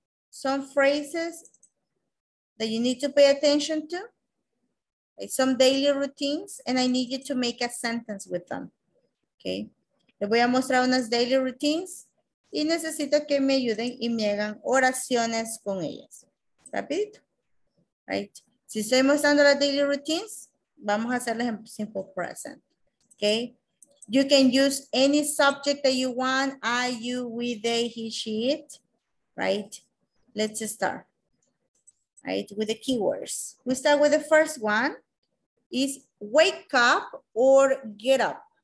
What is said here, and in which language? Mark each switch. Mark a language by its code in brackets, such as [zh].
[en] Some phrases that you need to pay attention to, okay? Some daily routines, and I need you to make a sentence with them, okay? [es] Le voy a mostrar unas daily routines y necesito que me ayuden y me hagan oraciones con ellas. Rapidito, right? Si estoy mostrando las daily routines, vamos a hacerles en simple present, okay? [en] You can use any subject that you want, I, you, we, they, he, she, it, right? Let's start, right, with the keywords. We start with the first one, is wake up or get up.